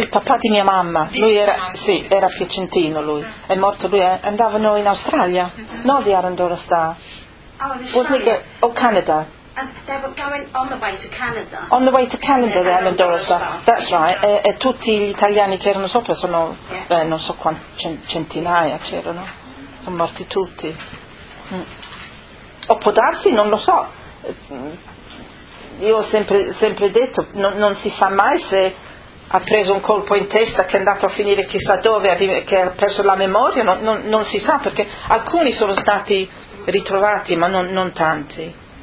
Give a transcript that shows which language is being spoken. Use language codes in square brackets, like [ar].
[it] Il papà di mia mamma, era piacentino lui, è morto lui, andavano in Australia, no, di Arundora sta. Canada. [en] And they were going on the way to Canada. On the way to Canada, they're Arundora Star. That's right. [it] E tutti gli italiani che erano sopra sono, non so quanti, centinaia c'erano. Sono morti tutti. O può darsi, non lo so. Io ho sempre detto, non si sa mai se ha preso un colpo in testa, che è andato a finire chissà dove, che ha perso la memoria, non si sa, perché alcuni sono stati ritrovati, ma non tanti.